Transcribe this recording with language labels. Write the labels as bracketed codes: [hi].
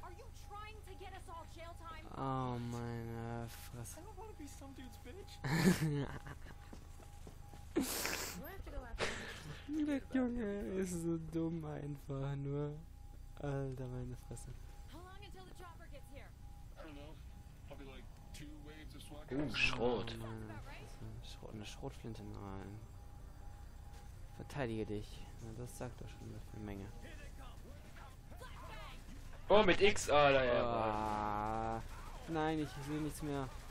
[en] Are you trying to get us all jail time? [de] Oh meine Fresse. [en] I don't want to be some dude's bitch. [de] Der Junge ist so dumm einfach nur. Alter, meine Fresse. [en] How long until the chopper gets here? I don't know. Probably like two waves of SWAT. [de] Schrot. Schrot, eine Schrotflinte rein. Verteidige dich. Na, das sagt doch schon eine Menge. Oh, mit X, Alter, ja. Oh, nein, ich sehe nichts mehr.